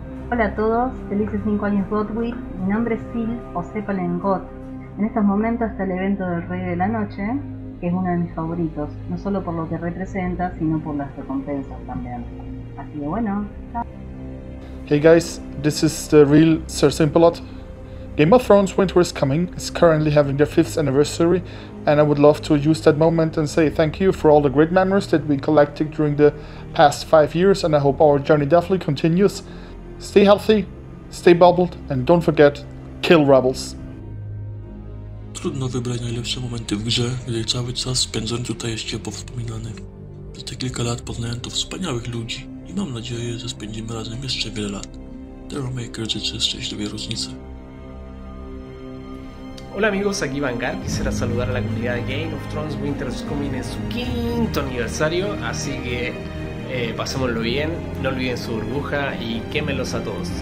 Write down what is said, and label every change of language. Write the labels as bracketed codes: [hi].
[es] Hola a todos, felices 5 años Godwill, mi nombre es Sil o Sepal en God. En estos momentos está el evento del Rey de la Noche, que es uno de mis favoritos, no solo por lo que representa, sino por las recompensas también. Así que bueno, chao. [en] Hey guys, this is the real Sir Simpelot. Game of Thrones Winter is Coming is currently having their 5th anniversary, and I would love to use that moment and say thank you for all the great memories that we collected during the past 5 years, and I hope our journey definitely continues. Stay healthy, stay bubbled, and don't forget, kill rebels! [pl] Trudno wybrać najlepsze momenty w grze, gdy cały czas spędzam tutaj jest ciepło wspominany. Przez te kilka lat poznałem tu wspaniałych ludzi i mam nadzieję, że spędzimy razem jeszcze wiele lat. Terrormaker życzy szczęśliwej różnicy. [es] Hola amigos, aquí Vanguard. Quisiera saludar a la comunidad de Game of Thrones Winter is Coming en su 5º aniversario, así que pasémoslo bien, no olviden su burbuja y quémelos a todos.